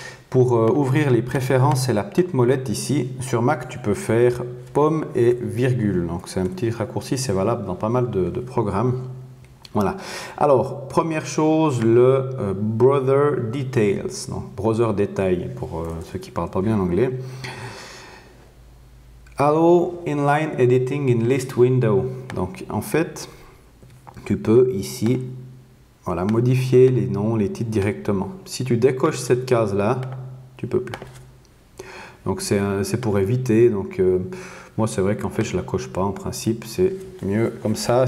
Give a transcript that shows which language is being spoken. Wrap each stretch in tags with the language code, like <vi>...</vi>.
<fr>Pour ouvrir les préférences, c'est la petite molette ici. Sur Mac, tu peux faire pomme et virgule. Donc c'est un petit raccourci, c'est valable dans pas mal de programmes. Voilà. Alors, première chose, le Brother Details, donc Brother Détail pour ceux qui ne parlent pas bien l'anglais.</fr> <en>Allow Inline Editing in List Window.</en> <fr>Donc, en fait, tu peux ici, voilà, modifier les noms, les titres directement. Si tu décoches cette case-là, tu peux plus. Donc, c'est pour éviter. Donc, moi, c'est vrai qu'en fait, je la coche pas. En principe, c'est mieux comme ça.</fr>